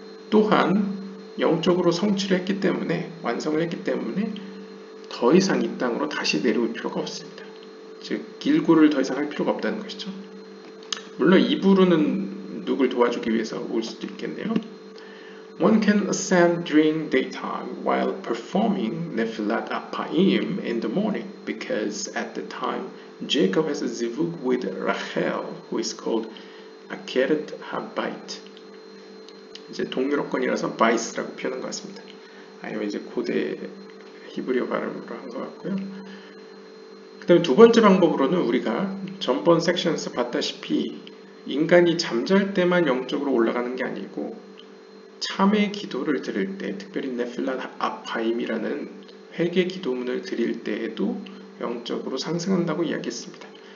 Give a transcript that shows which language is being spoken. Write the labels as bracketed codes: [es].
[ko] 또한 영적으로 성취를 했기 때문에, 완성을 했기 때문에 더 이상 이 땅으로 다시 내려올 필요가 없습니다. 즉 길고를 더 이상 할 필요가 없다는 것이죠. 물론 입으로는 누굴 도와주기 위해서 올 수도 있겠네요. [en] One can ascend during daytime while performing Nefilat Apayim in the morning because at the time Jacob has a zivug with Rachel who is called Akeret HaBait. [ko] 이제 동유럽권이라서 바이스라고 표현한 것 같습니다. 아니면 이제 고대 히브리어 발음으로 한 것 같고요. 그 다음에 두 번째 방법으로는 우리가 전번 섹션에서 봤다시피 인간이 잠잘 때만 영적으로 올라가는 게 아니고 참회 기도를 드릴 때, 특별히 네필라 아파임이라는 회개 기도문을 드릴 때에도 영적으로 상승한다고 이야기했습니다.